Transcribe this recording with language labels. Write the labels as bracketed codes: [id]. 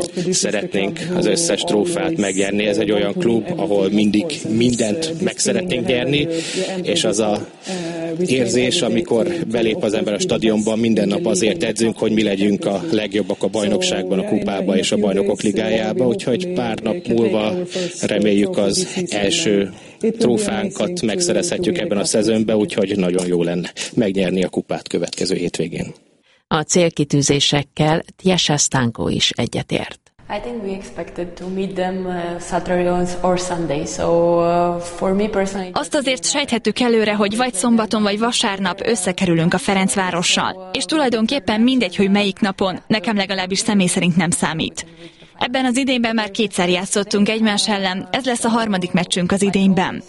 [hu] Szeretnénk az összes trófeát megnyerni. Ez egy olyan klub, ahol mindig mindent meg szeretnénk nyerni, és az a érzés, amikor belép az ember a stadionban, minden nap azért edzünk, hogy mi legyünk a legjobbak a bajnokságban, a kupában és a bajnokok ligájában, úgyhogy pár nap múlva reméljük az első trófánkat megszerezhetjük ebben a szezonban, úgyhogy nagyon jó lenne megnyerni a kupát következő hétvégén. A célkitűzésekkel Tiesa Stanko is egyetért. [en] I think we expected to meet them Saturday or Sunday. So for me personally, [hu] azt azért sejthettük előre, hogy vagy szombaton vagy vasárnap összekerülünk a Ferencvárossal. És tulajdonképpen mindegy, hogy melyik napon, nekem legalábbis személy szerint nem számít. Ebben az idényben már kétszer játszottunk egymás ellen, ez lesz a harmadik meccsünk az idényben.